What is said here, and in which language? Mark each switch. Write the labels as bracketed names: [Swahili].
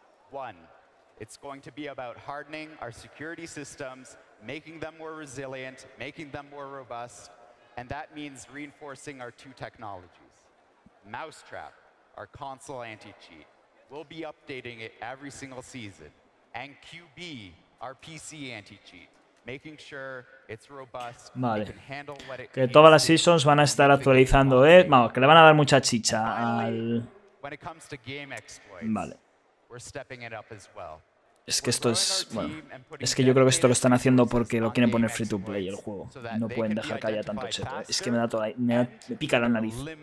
[English] One, it's going to be about hardening our security systems, making them more resilient, making them more robust, and that means reinforcing our two technologies. Mousetrap, our console anti-cheat, we'll be updating it every single season. And QB, our PC anti-cheat, making sure it's robust, [Spanish] vale. [English] It can handle what it [Spanish] que todas las seasons van a estar actualizando, vamos, que le van a dar mucha chicha al... [English] When it comes to game exploits, [Spanish] vale. [English] We're stepping it up as well. [Spanish] Es que esto es, bueno, es que yo creo que esto lo están haciendo porque lo quieren poner free to play el juego. No pueden dejar que haya tanto cheto. Es que me pica la nariz.